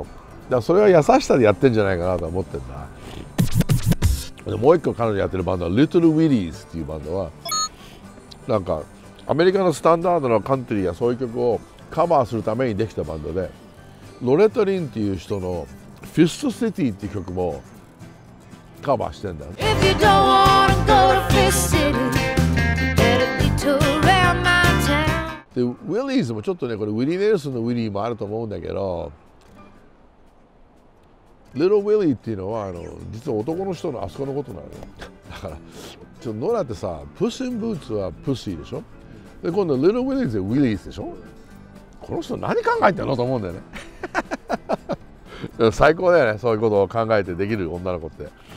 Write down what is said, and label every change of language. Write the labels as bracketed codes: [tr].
[ja] だからそれは優しさでやってるんじゃないかなと思ってるんだ。でもう一個彼女やってるバンドは Little Willys っていうバンドは、なんかアメリカのスタンダードのカントリーやそういう曲をカバーするためにできたバンドで、ロレタリンっていう人の Fist City っていう曲もカバーしてんだ。 [en] If you don't wanna go to Fist City better be to around my town。 [ja] で Willys もちょっとね、これウィリー・ネルソンのウィリーもあると思うんだけど、Little Willy っていうのはあの実は男の人のあそこのことなのよ。だからちょっとノラってさ、プッシンブーツはプッシーでしょ、で今度 Little Willy ってウィリーズでしょ、この人何考えてんのと思うんだよね最高だよね、そういうことを考えてできる女の子って。